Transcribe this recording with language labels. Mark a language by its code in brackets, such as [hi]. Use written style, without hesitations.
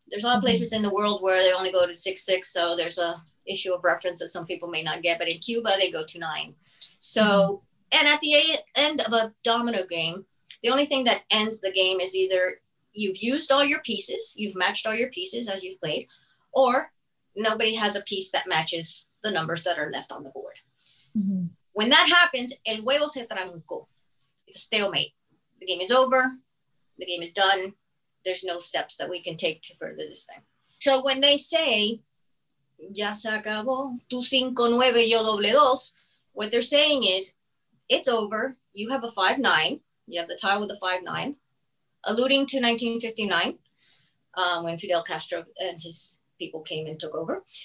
[en] There's a lot of places in the world where they only go to 6'6", so there's a issue of reference that some people may not get, but in Cuba, they go to nine. So, and at the end of a domino game, the only thing that ends the game is either you've used all your pieces, you've matched all your pieces as you've played, or nobody has a piece that matches the numbers that are left on the board. Mm-hmm. When that happens, [es] el juego se trancó. [en] It's a stalemate. The game is over. The game is done. There's no steps that we can take to further this thing. So when they say, [es] ya se acabó, tú cinco nueve, yo doble dos, [en] what they're saying is, it's over. You have a 5'9". You have the tie with a 5'9". Alluding to 1959, when Fidel Castro and his people came and took over.